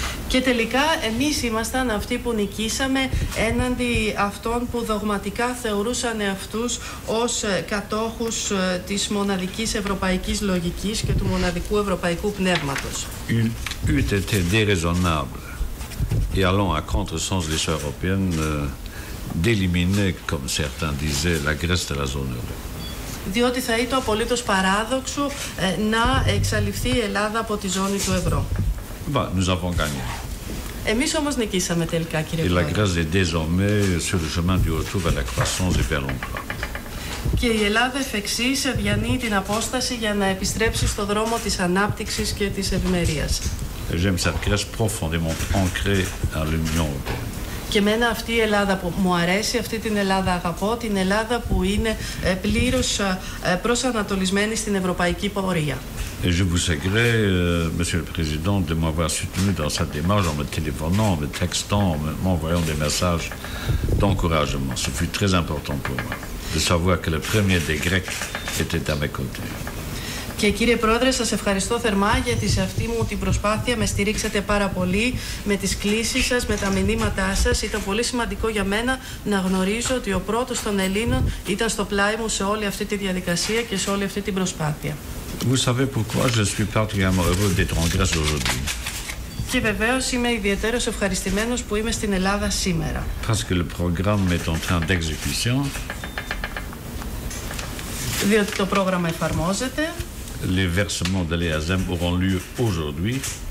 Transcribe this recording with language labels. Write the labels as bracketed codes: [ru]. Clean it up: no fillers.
[el] Και τελικά εμείς ήμασταν αυτοί που νικήσαμε έναντι αυτών που δογματικά θεωρούσαν αυτούς ως κατόχους της μοναδικής ευρωπαϊκής λογικής και του μοναδικού ευρωπαϊκού πνεύματος. [fr] Eût été déraisonnable et allant à contre-sens de l'histoire européenne d'éliminer, comme certains disaient, la Grèce de la zone euro. [el] Διότι θα ήταν απολύτως παράδοξο να εξαλειφθεί η Ελλάδα από τη ζώνη του ευρώ. [fr] Nous avons gagné. [el] Εμείς όμως νικήσαμε τελικά, κύριε [fr] Πρόεδρε. La Grèce est désormais sur le chemin du retour vers la croissance et vers l'emploi. [el] Και η Ελλάδα εφ' εξής διανύει την απόσταση για να επιστρέψει στο δρόμο της ανάπτυξης και της ευημερίας. [fr] J'aime cette Grèce profondément ancrée à l'Union européenne. [el] Και εμένα αυτή η Ελλάδα που μου αρέσει, αυτή την Ελλάδα αγαπώ, την Ελλάδα που είναι πλήρως προσανατολισμένη στην ευρωπαϊκή πορεία. [fr] Et je vous agrée, Monsieur le Président, de m'avoir soutenu dans cette démarche en me téléphonant, en me textant, en m'envoyant des messages d'encouragement. Ce fut très important pour moi de savoir que le premier des Grecs était à mes côtés. [el] Και κύριε Πρόεδρε, σας ευχαριστώ θερμά για τη σε αυτή μου την προσπάθεια. Με στηρίξατε πάρα πολύ με τις κλήσεις σας, με τα μηνύματά σας. Ήταν πολύ σημαντικό για μένα να γνωρίζω ότι ο πρώτος των Ελλήνων ήταν στο πλάι μου σε όλη αυτή τη διαδικασία και σε όλη αυτή την προσπάθεια. [fr] Vous savez pourquoi je suis particulièrement heureux d'être en Grèce aujourd'hui. [el] Και βεβαίως είμαι ιδιαίτερος ευχαριστημένος που είμαι στην Ελλάδα σήμερα. [fr] Parce que le programme est en train d'exécution. [el] Διότι το πρόγραμμα εφαρμόζεται. [fr] Les versements de l'EASM auront lieu aujourd'hui.